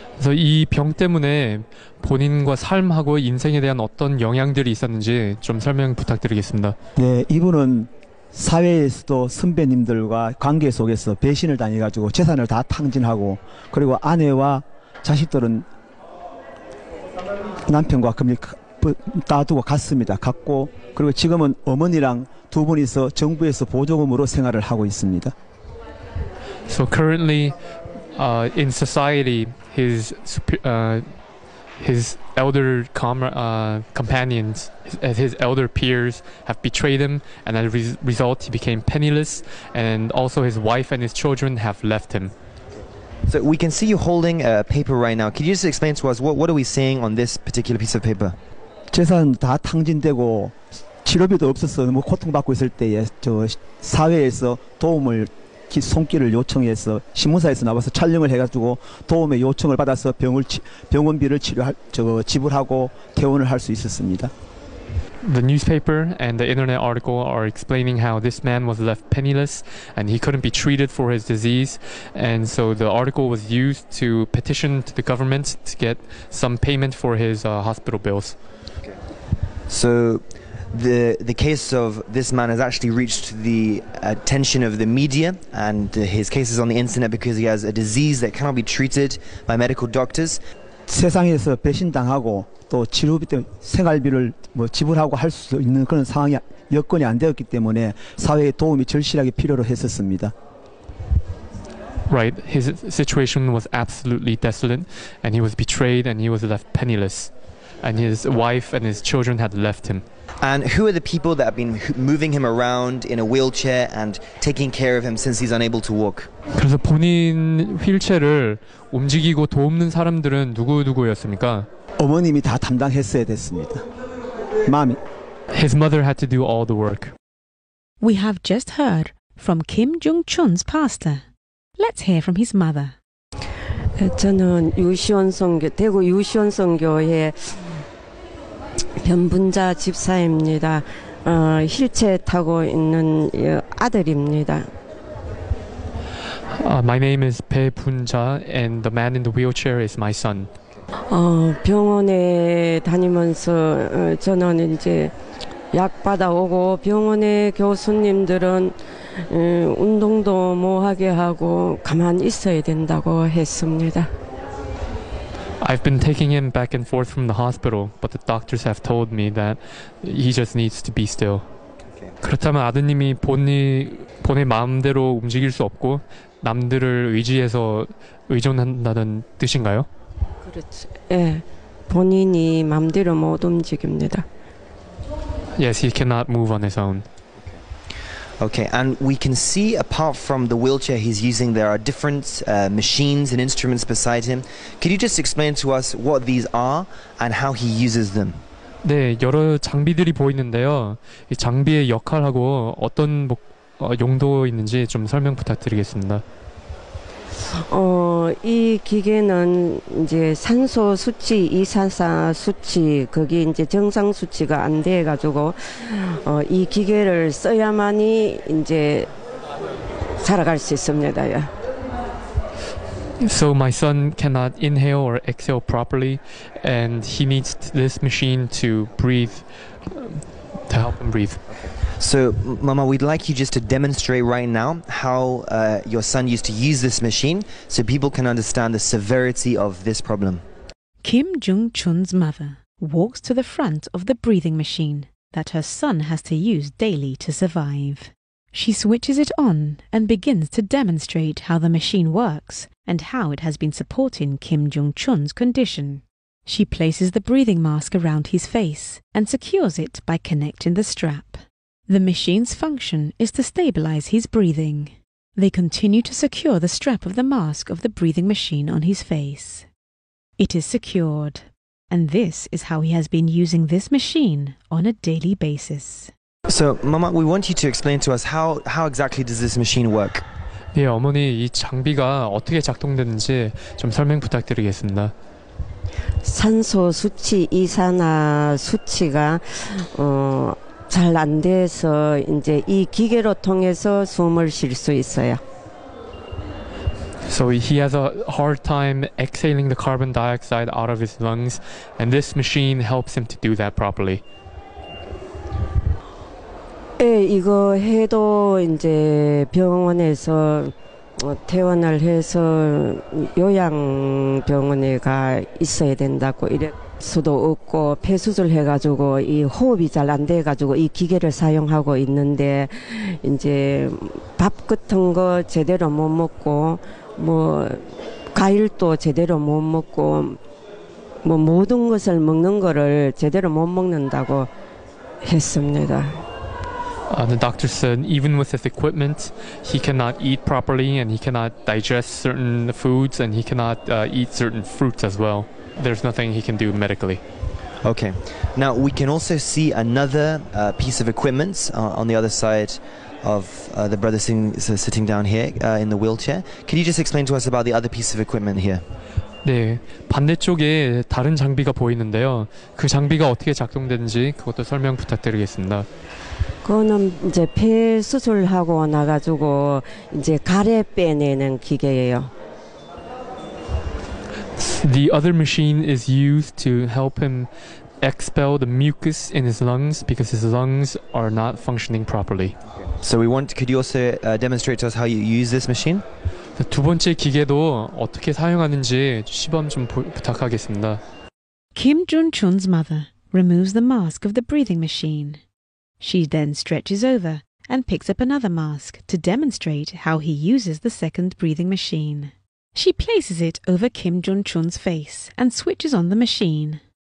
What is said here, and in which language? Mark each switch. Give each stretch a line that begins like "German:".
Korean: 이 병 때문에 본인과 삶하고 인생에 대한 어떤 영향들이 있었는지 좀 설명 부탁드리겠습니다. 네, 이분은 사회에서도 선배님들과 관계 속에서 배신을 당해가지고 재산을 다 탕진하고 그리고 아내와 자식들은 남편과 따두고 갔습니다. 갔고 그리고 지금은 어머니랑 두 분이서 정부에서 보조금으로 생활을 하고 있습니다.
English: So currently in society, his elder companions, his elder peers have betrayed him, and as a result, he became penniless, and also his wife and his children have left him. So we can see you holding a paper right now. Can you just explain to us what are we seeing on this particular piece of paper?
Korean: 재산 다 탕진되고 치료비도 없어서 너무 고통받고 있을 때에 저 사회에서 도움을 손길을 요청해서 신문사에서 나와서 촬영을 해가지고 도움의 요청을 받아서 병원비를 치료할 저 지불하고 퇴원을 할 수 있었습니다.
English: The newspaper and the internet article are explaining how this man was left penniless and he couldn't be treated for his disease. And so the article was used to petition to the government to get some payment for his hospital bills. So the case of this man has actually reached the attention of the media, and his case is on the internet because he has a disease that cannot be treated by medical doctors.
Korean: 세상에서 배신당하고 또 치료비 때문에 생활비를 뭐 지불하고 할 수 있는 그런 상황이 여건이 안 되었기 때문에 사회의 도움이 절실하게 필요로 했었습니다.
English: Right, his situation was absolutely desolate, and he was betrayed, and he was left penniless, and his wife and his children had left him. And who are the people that have been moving him around in a wheelchair and taking care of him since he's unable to walk?
Korean: 그래서 본인 휠체어를 움직이고 돕는 사람들은 누구였습니까? 어머님이 다 담당했어야 됐습니다.
English: 마미. His mother had to do all the work. We have just heard from Kim Jung-chun's pastor. Let's hear from his mother.
Korean: 저는 대구 유시원성교회 병분자 집사입니다. 휠체 타고 있는 아들입니다.
English: My name is Pae Bun-ja, and the man in the wheelchair is my son.
Korean: 병원에 다니면서 저는 이제 약 받아오고 병원의 교수님들은 운동도 못하게 하고 가만히 있어야 된다고 했습니다.
English: I've been taking him back and forth from the hospital, but the doctors have told me that he just needs to be still. Okay.
Korean: 그렇다면 아드님이 본의 마음대로 움직일 수 없고 남들을 의지해서 의존한다는 뜻인가요? 그렇죠. 예. 본인이 마음대로 못 움직입니다.
English: Yes, he cannot move on his own. Okay, and we can see, apart from the wheelchair he's using, there are different machines and instruments beside him. Could you just explain to us what these are and how he uses them?
Korean: 네, 여러 장비들이 보이는데요. 이 장비의 역할하고 어떤 용도 있는지 좀 설명 부탁드리겠습니다. 이 기계는 이제 산소 수치, 이산화 수치, 거기 이제 정상 수치가 안 돼 가지고 이 기계를 써야만이 이제 살아갈 수 있습니다.
English: So my son cannot inhale or exhale properly and he needs this machine to breathe to help him breathe. So, Mama, we'd like you just to demonstrate right now how your son used to use this machine so people can understand the severity of this problem. Kim Jung-chun's mother walks to the front of the breathing machine that her son has to use daily to survive. She switches it on and begins to demonstrate how the machine works and how it has been supporting Kim Jung-chun's condition. She places the breathing mask around his face and secures it by connecting the strap. The machine's function is to stabilize his breathing. They continue to secure the strap of the mask of the breathing machine on his face. It is secured. And this is how he has been using this machine on a daily basis. So, Mama, we want you to explain to us how exactly does this machine work?
Korean: 네, 어머니, 이 장비가 어떻게 작동되는지 좀 설명 부탁드리겠습니다. 산소 수치, 이산화 수치가 잘 안 돼서 이제 이 기계로 통해서 숨을 쉴 수 있어요.
English: So he has a hard time exhaling the carbon dioxide out of his lungs, and this machine helps him to do that properly.
Korean: 예, 이거 해도 이제 병원에서 퇴원을 해서 요양병원에 가 있어야 된다고 이래. 수도 없고 폐수술 해가지고 이 호흡이 잘 안 돼가지고 이 기계를 사용하고 있는데 이제 밥 같은 거 제대로 못 먹고 뭐 과일도 제대로 못 먹고 뭐 모든 것을 먹는 거를 제대로 못 먹는다고 했습니다.
English: The doctor said even with his equipment, he cannot eat properly and he cannot digest certain foods and he cannot eat certain fruits as well. There's nothing he can do medically. Okay. Now we can also see another piece of equipment on the other side of the brother sitting down here in the wheelchair. Can you just explain to us about the other piece of equipment here?
Korean: 네, 반대쪽에 다른 장비가 보이는데요. 그 장비가 어떻게 작동되는지 그것도 설명 부탁드리겠습니다. 그거는 이제 폐 수술하고 나가지고 이제 가래 빼내는 기계예요.
English: The other machine is used to help him expel the mucus in his lungs because his lungs are not functioning properly. So we want, could you also demonstrate to us how you use this machine?
Korean: 두 번째 기계도 어떻게 사용하는지 시범 좀 부탁하겠습니다.
English: Kim Jun-chun's mother removes the mask of the breathing machine. She then stretches over and picks up another mask to demonstrate how he uses the second breathing machine. She places it over Kim Jun-chun's face and switches on the machine.